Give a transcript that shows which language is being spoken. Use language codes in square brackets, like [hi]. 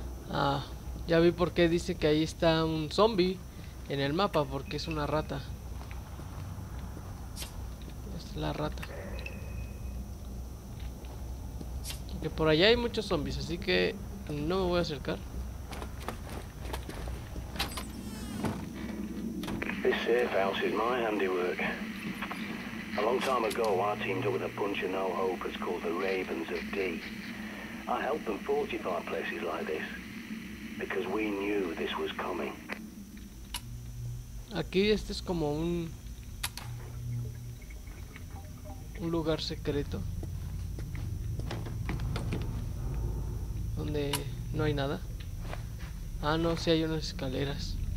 [es] Ah, ya vi por qué dice que ahí está un zombie en el mapa, porque es una rata. Es la rata. Que por allá hay muchos zombies, así que no me voy a acercar. [en] This safe house is my handiwork. A long time ago, I teamed up with a bunch of no-hopers called the Ravens of D. I helped them fortify places like this. Because we knew this was coming. [es] Aquí este es como un lugar secreto donde no hay nada. Ah, no, sí hay unas escaleras.